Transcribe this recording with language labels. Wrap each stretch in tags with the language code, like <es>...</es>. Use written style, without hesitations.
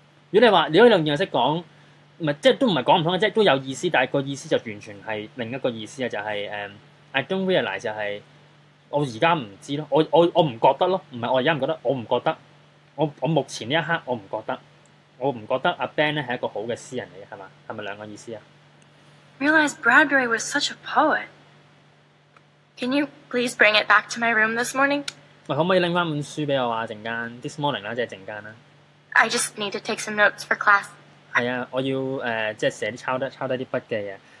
<yue>如果你話，如果你用現在式講，唔係即係都唔係講唔通嘅，即係都有意思，但係個意思就完全係另一個意思啊，就係、是、</yue> <en>I don't realize</en> <yue>就係我而家唔知咯，我唔覺得咯，唔係我而家唔覺得，我唔覺得，我目前呢一刻我唔覺得。我唔覺得阿 Ben 咧係一個好嘅詩人嚟嘅，係嘛？係咪兩個意思啊</yue> <en>？Realize Bradbury was such a poet. Can you please bring it back to my room this morning?</en> <yue>喂，可唔可以拎翻本書俾我啊？陣間 ，</yue> <en>this morning</en> <yue>啦，即係陣間啦。</yue> <en>I just need to take some notes for class.</en> <yue>係啊，我要即係寫啲抄低啲筆記啊。</yue>